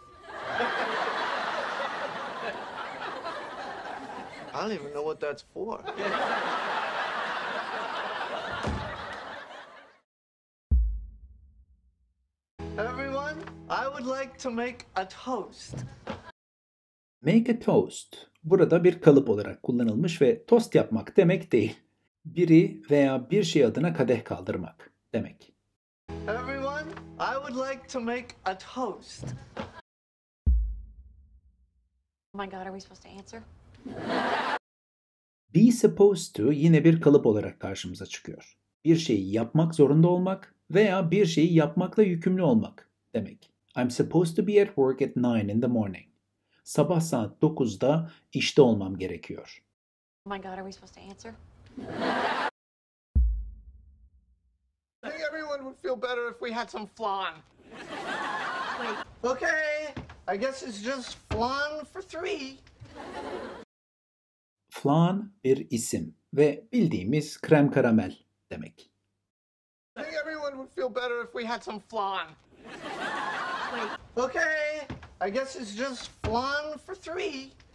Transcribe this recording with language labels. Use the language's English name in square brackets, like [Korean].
[English] I don't even know what that's for. Everyone, I would like to make a toast. Make a toast [Turkish] burada bir kalıp olarak kullanılmış ve tost yapmak demek değil. Biri veya bir şey adına kadeh kaldırmak demek. Everyone, I would like to make a toast. Oh my god, are we supposed to answer? [English] Be supposed to [Turkish] yine bir kalıp olarak karşımıza çıkıyor. Bir şeyi yapmak zorunda olmak veya bir şeyi yapmakla yükümlü olmak demek. [English] I'm supposed to be at work at 9 in the morning. [Turkish] Sabah saat 9'da işte olmam gerekiyor. [English] Oh my god, are we supposed to answer? I think everyone would feel better if we had some flan. Okay, I guess it's just flan for three. [Turkish] Flan bir isim ve bildiğimiz krem karamel demek. [English] I think everyone would feel better if we had some flan. Okay, I guess it's just flan for three.